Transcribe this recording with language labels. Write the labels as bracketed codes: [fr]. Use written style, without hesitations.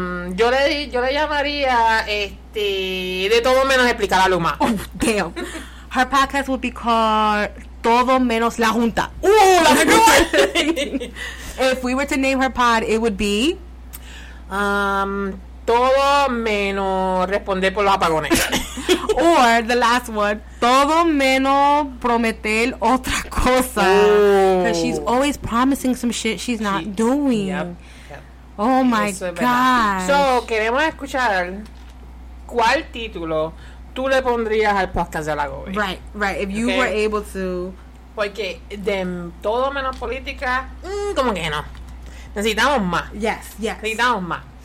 [es] Yo le llamaría de todo menos explicar a Luma. [en] Oh, damn. Her podcast would be called Todo Menos La Junta. Ooh, that's a good one. If we were to name her pod, it would be [es] Todo Menos Responder por los Apagones. [en] Or the last one, Todo Menos Prometer Otra Cosa. Because she's always promising some shit she's not doing. Yep. Oh my God. So, [es] queremos escuchar cuál título tú le pondrías al podcast de la Gobi. [en] Right, right. If you okay. were able to. [es] Porque de todo menos política, como que no. Necesitamos más. [en] Yes, yes. [es] Necesitamos más.